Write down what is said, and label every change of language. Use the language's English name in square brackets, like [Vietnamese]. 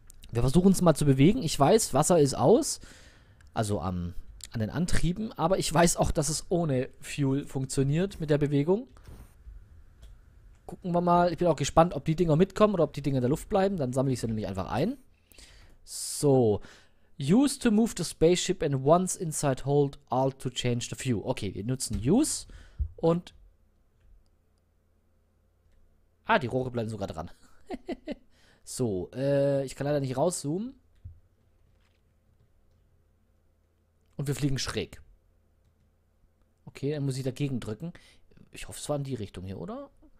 [German] Wir versuchen uns mal zu bewegen. Ich weiß, Wasser ist aus, also an den Antrieben, aber ich weiß auch, dass es ohne Fuel funktioniert mit der Bewegung. Gucken wir mal. Ich bin auch gespannt, ob die Dinger mitkommen oder ob die Dinger in der Luft bleiben. Dann sammle ich sie nämlich einfach ein. So. [English] Use to move the spaceship and once inside hold alt to change the view. [German] Okay, wir nutzen Use und... Ah, die Rohre bleiben sogar dran. So, ich kann leider nicht rauszoomen. Und wir fliegen schräg. Okay, dann muss ich dagegen drücken. Ich hoffe, es war in die Richtung hier, oder?